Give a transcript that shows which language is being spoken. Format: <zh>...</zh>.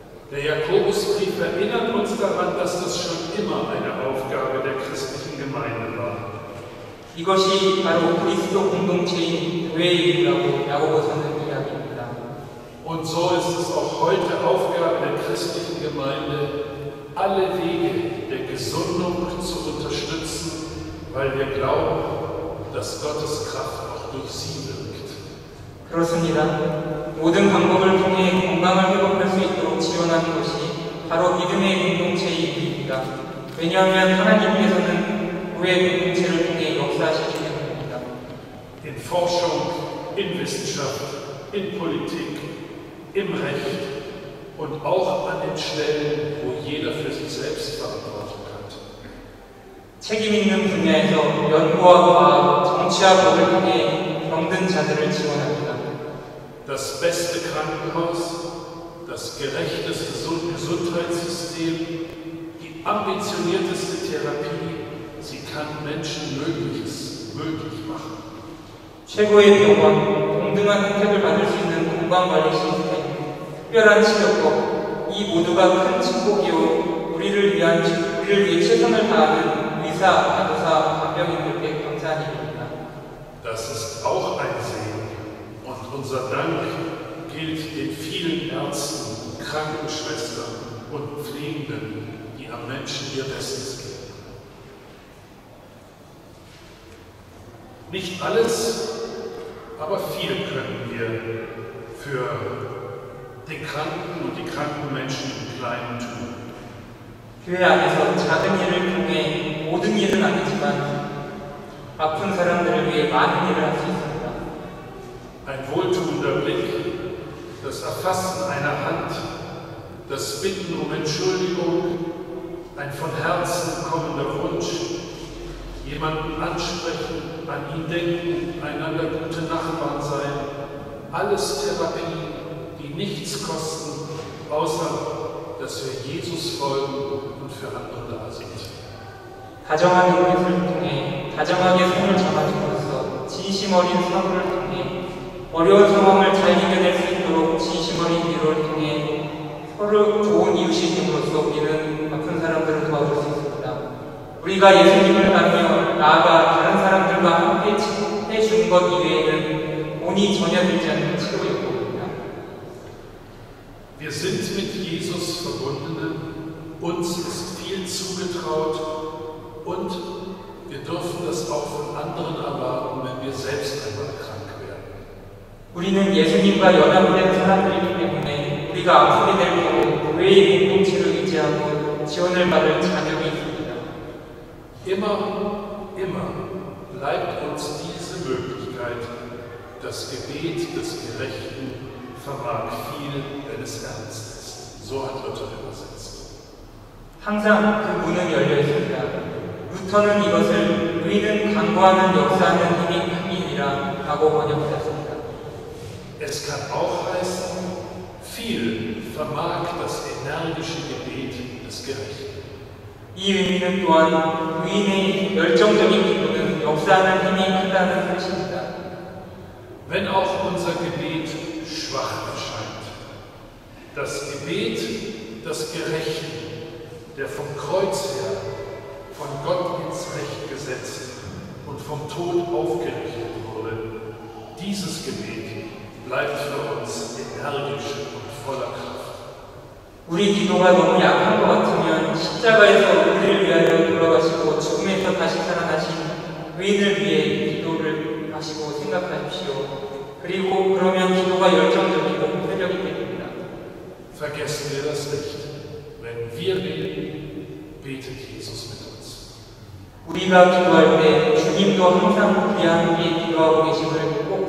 <de>Der Jakobusbrief erinnert uns daran, dass das schon immer eine Aufgabe der christlichen Gemeinde war.</de> <ko>이것이 바로 그리스도 공동체인 교회의 일이라고 야고보서는 이야기합니다.</ko> <de>Und so ist es auch heute Aufgabe der christlichen Gemeinde, alle Wege der Gesundung zu unterstützen, weil wir glauben, dass Gottes Kraft auch durch sie wirkt.</de> <ko>그렇습니다. 모든 방법을 통해 건강을 회복할 수 있도록 지원하는 것이 바로 믿음의 공동체의 일입니다. 왜냐하면 하나님께서는 교회 공동체를 통해 역사하시기 때문입니다.</ko> <de>In Forschung, in Wissenschaft, in Politik, im Recht, und auch an den Stellen, wo jeder für sich selbst Verantwortung hat.</de> <ko>책임 있는 분야에서 연구와 과학, 정치와 법을 통해 병든 자들을 지원합니다.</ko> <de>Das beste Krankenhaus, das gerechteste Gesundheitssystem, die ambitionierteste Therapie, sie kann Menschen Mögliches möglich machen.</de> <ko>최고의 병원, 동등한 혜택을 받을 수 있는 건강관리 시스템, 특별한 치료법, 이 모두가 큰 축복이요 우리를 위한 우리를 위해 최선을 다하는 의사, 간호사, 간병인들께 감사한 일입니다.</ko> <de>Das ist auch ein Segen. Und unser Dank gilt den vielen Ärzten, Krankenschwestern und Pflegenden, die am Menschen ihr Bestes geben. Nicht alles, aber viel können wir für den Kranken und die kranken Menschen im Kleinen tun.</de> <ko>교회 안에서 작은 일을 통해 모든 일은 아니지만 아픈 사람들을 위해 많은 일을 할 수 있습니다.</ko> <de>Ein wohltuender Blick, das Erfassen einer Hand, das Bitten um Entschuldigung, ein von Herzen kommender Wunsch, jemanden ansprechen, an ihn denken, einander gute Nachbarn sein, alles Therapie, nichts kosten, außer dass wir Jesus folgen und für andere da sind.</de> <ko>다정한 눈빛을 통해 다정하게 손을 잡아주면서 진심 어린 사부를 통해 어려운 상황을 잘 이겨낼 수 있도록 진심 어린 위로를 통해 서로 좋은 이웃이 됨으로써 우리는 아픈 사람들을 도와줄 수 있습니다. 우리가 예수님을 만나며 나아가 다른 사람들과 함께 해준 것 이외에는 본이 전혀 되지 않는 치료입니다.</ko> <de>Wir sind mit Jesus Verbundene, uns ist viel zugetraut und wir dürfen das auch von anderen erwarten, wenn wir selbst einmal krank werden.</de> <ko>우리는 예수님과 연합된 사람들이기 때문에 우리가 아프게 될 경우 교회의 공동체를 의지하고 지원을 받을 자격이 있습니다.</ko> <de>Immer bleibt uns diese Möglichkeit, das Gebet des Gerechten vermag viel, wenn es ernst ist. So hat Luther übersetzt.</de> <ko>항상 그 문은 열려 있습니다. 루터는 이것을 의는 강구하는 역사하는 힘이 큽니다라고 번역했습니다.</ko> <de>Es kann auch heißen, viel vermag das energische Gebet des Gerechten.</de> <ko>이 의미는 또한 의인의 열정적인 기도는 역사하는 힘이 크다는 뜻입니다.</ko> <de>Wenn auch unser Gebet schwach erscheint, das Gebet des Gerechten, der vom Kreuz her von Gott ins Recht gesetzt und vom Tod aufgerichtet wurde, dieses Gebet bleibt für uns energisch und voller Kraft.</de> <ko>우리 기도가 너무 약한 것 같으면 십자가에서 우리를 위하여 돌아가시고 죽음에서 다시 살아나신 의인을 위해 기도를 하시고 생각하십시오. 그리고 그러면 기도가 열정적이고 회력이 됩니다.</ko> <de>Vergessen wir das nicht. Wenn wir beten, betet Jesus mit uns.</de> <ko>우리가 기도할 때 주님도 항상 우리와 함께 기도하고 계심을</ko>